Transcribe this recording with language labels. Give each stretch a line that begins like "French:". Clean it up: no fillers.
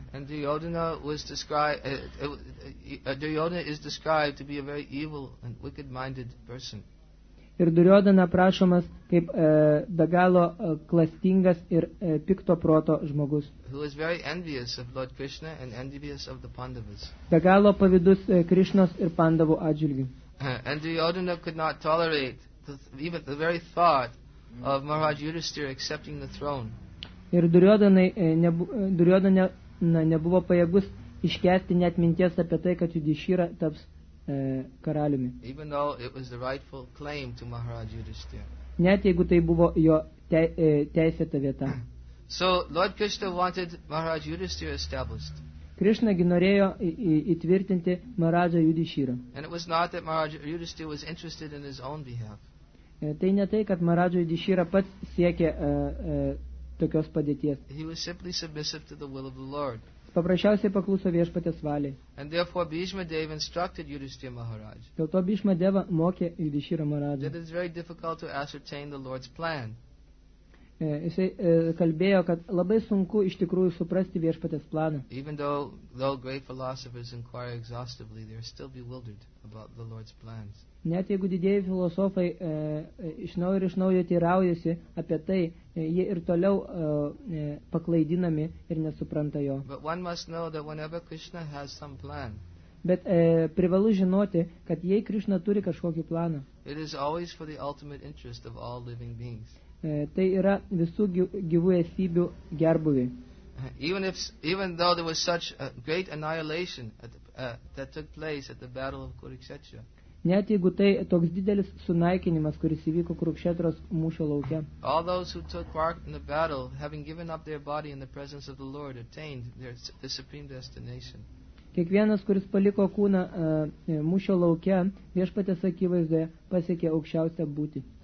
English: And Duryodhana is described to be a very evil and wicked-minded person.
Lithuanian: Ir Duryodhana prašomas kaip be galo klastingas ir pikto proto žmogus.
English: Who is very envious of Lord Krishna and envious of the Pandavas.
Lithuanian: Be galo pavydus Krishnos ir Pandavų atžvilgiu.
English: And Duryodhana could not tolerate even the very thought of Maharaj Yudhishthira accepting the throne.
Lithuanian: Ir Duryodhana nebuvo pajėgus iškęsti net minties apie tai, kad Yudhishthira taps karaliumi.
English: Even though it was the rightful claim to Maharaj Yudhishthira.
Lithuanian: Net jeigu tai buvo jo teisėta vieta.
English: So Lord Krishna wanted Maharaj Yudhishthira established.
Lithuanian: Krishna gi norėjo įtvirtinti Maharaja Yudhishthira.
English: And it was not that Maharaj Yudhishthira was interested in his own behalf.
Lithuanian: Tai ne tai, kad Maharaja Yudhishthira pats siekė tokios padėties.
English: He was simply submissive to the will of the Lord.
Lithuanian: Paprasčiausiai paklauso viešpatės valiai.
English: And therefore Bhishma Deva instructed Yudhishthira Maharaj.
Lithuanian: Dėl to Bhishma Deva mokė Yudhishthira Maharaja.
English: It is very difficult to ascertain the Lord's plan.
Lithuanian: Jis kalbėjo, kad labai sunku iš tikrųjų suprasti viešpatės planą.
English: Even though great philosophers inquire exhaustively, they are still bewildered about the Lord's plans.
Lithuanian: Net jeigu didieji filosofai iš naujo ir iš naujo teiraujasi apie tai, jie ir toliau paklaidinami ir nesupranta jo.
English: But one must know that whenever Krishna has some plan,
Lithuanian: bet privalu žinoti, kad jei Krishna turi kažkokį planą,
English: it is always for the ultimate interest of all living beings.
Lithuanian: Tai yra visų gyvų esybių gerbūvi.
English: Even though there was such a great annihilation that took place at the battle of Kurukshetra.
Lithuanian: Net jeigu tai toks didelis sunaikinimas, kuris įvyko Kurukšetros mūšio lauke.
English: All those who took part in the battle, having given up their body in the presence of the Lord, attained their supreme destination.
Lithuanian: Kiekvienas, kuris paliko kūną mūšio lauke, viešpatės akivaizdoje pasiekė aukščiausią būtį.